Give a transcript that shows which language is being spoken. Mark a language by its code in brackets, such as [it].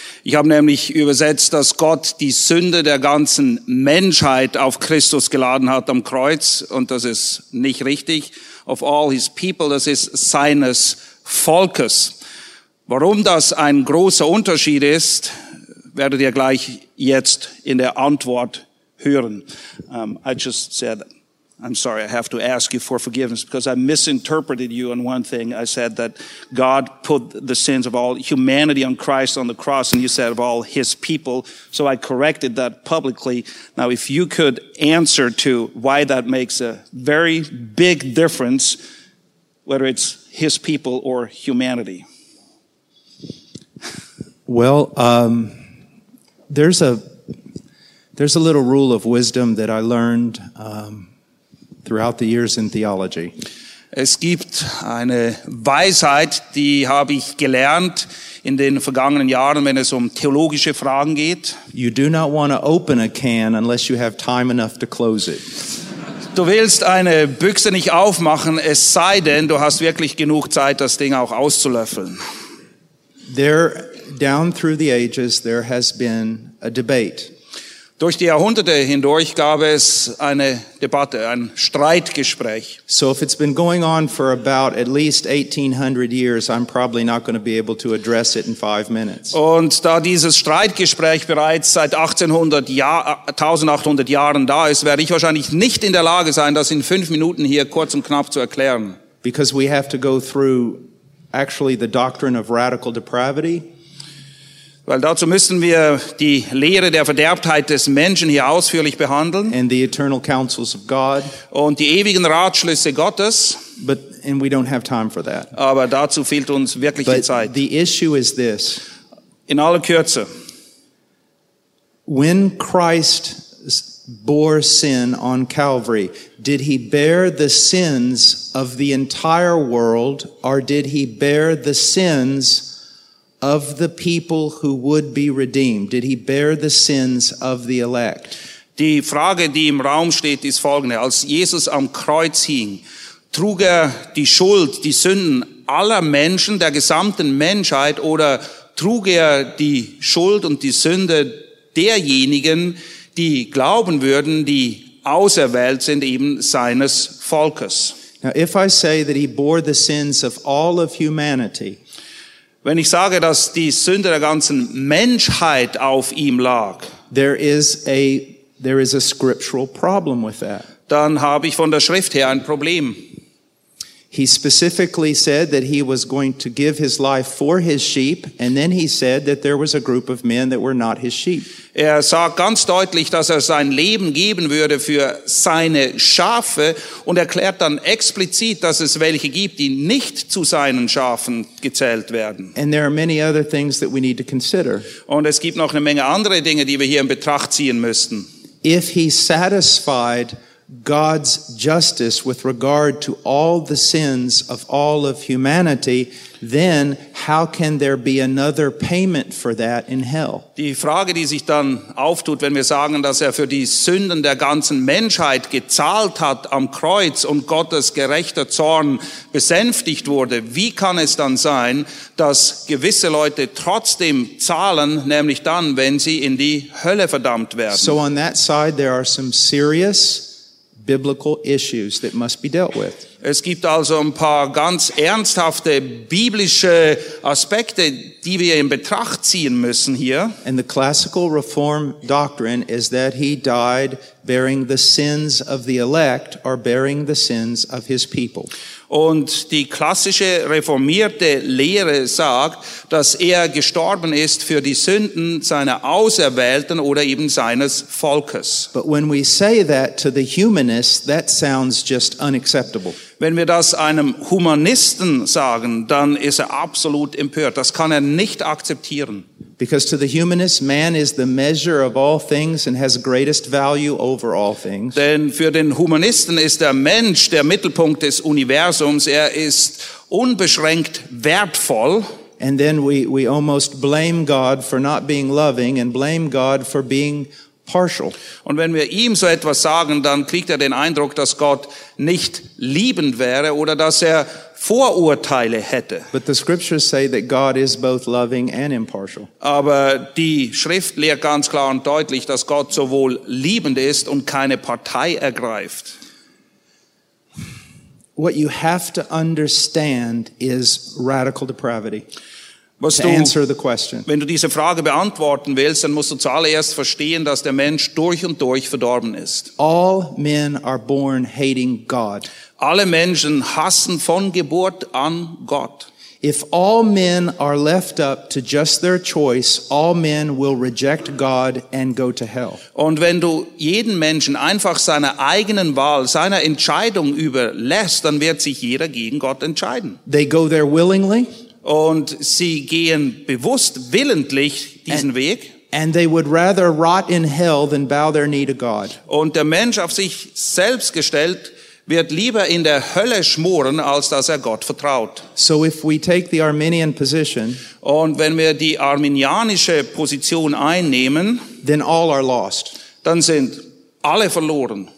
[de] Ich habe nämlich übersetzt, dass Gott die Sünde der ganzen Menschheit auf Christus geladen hat am Kreuz, und das ist nicht richtig. [en] Of all his people, [de] das ist seines Volkes. Warum das ein großer Unterschied ist, werdet ihr gleich jetzt in der Antwort hören. [en] I just said, I'm sorry, I have to ask you for forgiveness because I misinterpreted you on one thing. I said that God put the sins of all humanity on Christ on the cross, and you said of all his people. So I corrected that publicly. Now, if you could answer to why that makes a very big difference, whether it's his people or humanity. Well, there's a little rule of wisdom that I learned throughout the years in theology. [de] Es gibt eine Weisheit, die habe ich gelernt in den vergangenen Jahren, wenn es theologische Fragen geht. [en] You do not want to open a can unless you have time enough to close it. [de] Du willst eine Büchse nicht aufmachen, es sei denn, du hast wirklich genug Zeit, das Ding auch auszulöffeln. [en] There, down through the ages, there has been a debate. [de] Durch die Jahrhunderte hindurch gab es eine Debatte, ein Streitgespräch. [en] So if it's been going on for about at least 1800 years, I'm probably not going to be able to address it in 5 minutes. [de] Und da dieses Streitgespräch bereits seit 1800 Jahren da ist, werde ich wahrscheinlich nicht in der Lage sein, das in 5 Minuten hier kurz und knapp zu erklären. [en] Because we have to go through actually the doctrine of radical depravity. [de] Weil dazu müssen wir die Lehre der Verderbtheit des Menschen hier ausführlich behandeln. [en] And the eternal counsels of God. [de] Und die ewigen Ratschlüsse Gottes. [en] But, and we don't have time for that. [de] Aber dazu fehlt uns wirklich [en] But [de] die Zeit. [en] The issue is this. [de] In aller Kürze. [en] When Christ bore sin on Calvary, did he bear the sins of the entire world, or did he bear the sins of the people who would be redeemed? Did he bear the sins of the elect? [de] Die Frage, die im Raum steht, ist folgende: Als Jesus am Kreuz hing, trug er die Schuld, die Sünden aller Menschen, der gesamten Menschheit, oder trug er die Schuld und die Sünde derjenigen, die glauben würden, die auserwählt sind, eben seines Volkes? [en] Now, if I say that he bore the sins of all of humanity, [de] Wenn ich sage, dass die Sünde der ganzen Menschheit auf ihm lag, [en] there is a scriptural problem with that. [de] Dann habe ich von der Schrift her ein Problem. [en] He specifically said that he was going to give his life for his sheep, and then he said that there was a group of men that were not his sheep. [de] Er sagt ganz deutlich, dass er sein Leben geben würde für seine Schafe und erklärt dann explizit, dass es welche gibt, die nicht zu seinen Schafen gezählt werden. [en] And there are many other things that we need to consider. [de] Und es gibt noch eine Menge andere Dinge, die wir hier in Betracht ziehen müssten. [en] If he satisfied God's justice with regard to all the sins of all of humanity, then how can there be another payment for that in hell? [de] Die Frage, die sich dann auftut, wenn wir sagen, dass er für die Sünden der ganzen Menschheit gezahlt hat am Kreuz und Gottes gerechter Zorn besänftigt wurde, wie kann es dann sein, dass gewisse Leute trotzdem zahlen, nämlich dann, wenn sie in die Hölle verdammt werden? [en] So on that side there are some serious biblical issues that must be dealt with. [de] Es gibt also ein paar ganz ernsthafte biblische Aspekte, die wir in Betracht ziehen müssen hier. [en] And the classical reform doctrine is that he died bearing the sins of the elect or bearing the sins of his people. [de] Und die klassische reformierte Lehre sagt, dass er gestorben ist für die Sünden seiner Auserwählten oder eben seines Volkes. [en] But when we say that to the humanists, that sounds just unacceptable. [de] Wenn wir das einem Humanisten sagen, dann ist er absolut empört. Das kann er nicht akzeptieren. [en] Because to the humanist, man is the measure of all things and has greatest value over all things. [de] Denn für den Humanisten ist der Mensch der Mittelpunkt des Universums. Er ist unbeschränkt wertvoll. [en] And then we almost blame God for not being loving and blame God for being partial. [de] Und wenn wir ihm so etwas sagen, dann kriegt er den Eindruck, dass Gott nicht liebend wäre oder dass er Vorurteile hätte. [en] But the scriptures say that God is both loving and impartial. [de] Aber die Schrift lehrt ganz klar und deutlich, dass Gott sowohl liebend ist und keine Partei ergreift. [en] What you have to understand is radical depravity. [de] Was [en] to answer the question. [de] Wenn du diese Frage beantworten willst, dann musst du zuallererst verstehen, dass der Mensch durch und durch verdorben ist. [en] All men are born hating God. [de] Alle Menschen hassen von Geburt an Gott. [en] If all men are left up to just their choice, all men will reject God and go to hell. [de] Und wenn du jeden Menschen einfach seiner eigenen Wahl, seiner Entscheidung überlässt, dann wird sich jeder gegen Gott entscheiden. [en] They go there willingly. [de] Und sie gehen bewusst willentlich diesen Weg. [en] And they would rather rot in hell than bow their knee to God. [de] Und der Mensch auf sich selbst gestellt wird lieber in der Hölle schmoren, als dass er Gott vertraut. [en] So if we take the Arminian position, [de] und wenn wir die arminianische Position einnehmen, [en] then all are lost. [de] Dann sind alle verloren.